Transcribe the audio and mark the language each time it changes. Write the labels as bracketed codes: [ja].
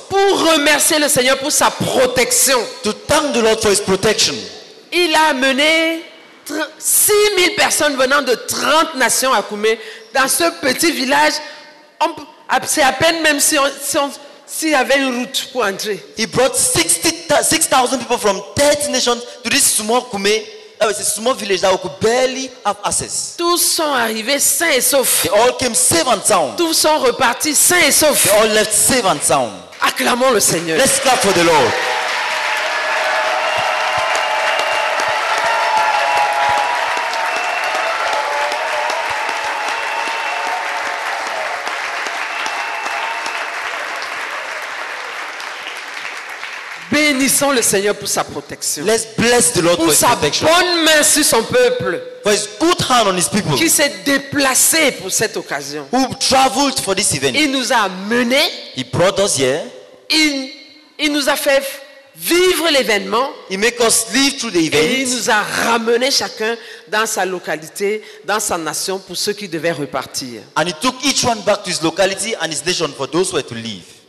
[fr] Pour remercier le Seigneur pour sa protection. [en] To thank the Lord for his protection. [fr] Il a amené 6000 personnes venant de 30 nations à Koumé dans ce petit village. C'est à peine même s'il y avait une route pour entrer. [en] He brought 6,000 people from 30 nations to this small Koumé. [fr] C'est un [en] small village [fr] là où [en] could barely have access. [fr] Tous sont arrivés sains et saufs. [en] They all came safe and sound. [fr] Tous sont repartis sains et saufs. [en] They all left safe and sound. [fr] Acclamons le Seigneur. [en] Let's clap for the Lord. [fr] Bénissons le Seigneur pour sa protection. [en] Let's bless the Lord [fr] pour [en] his [fr] sa protection. Bonne main sur son peuple. [en] For his good hand on his people. [fr] Qui s'est déplacé pour cette occasion. [en] Who traveled for this event. [fr] Il nous a amenés. [en] He brought us here. [fr] Il nous a fait vivre l'événement. [en] He made us live through the event. [fr] Et il nous a ramenés chacun dans sa localité, dans sa nation pour ceux qui devaient repartir. [en] And he took each one back to his locality and his nation for those who were to leave.